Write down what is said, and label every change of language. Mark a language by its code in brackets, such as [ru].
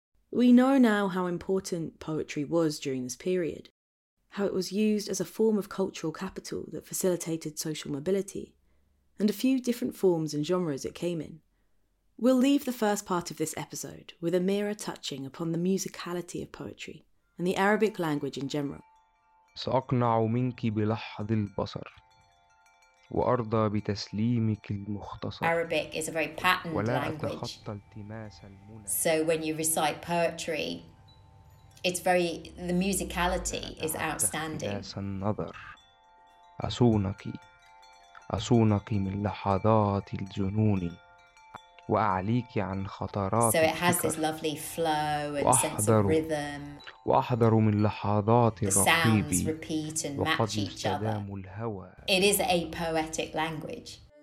[en] We know now how important poetry was during this period, how it was used as a form of cultural capital that facilitated social mobility, and a few different forms and genres it came in. We'll leave the first part of this episode with Amira touching upon the musicality of poetry and the Arabic language in general. [ar] سأقنع منك بلحظ البصر وأرضى بتسليمك المختصر. [en] Arabic is a very patterned language. So when you recite poetry, it's very, the musicality is outstanding. [ar] أصونك أصونك من لحظات الجنون. [en] So it has this lovely flow and sense of rhythm. [ar] وأحضر من لحظات الرحيب. [en] The sounds repeat and match each other. It is a poetic language.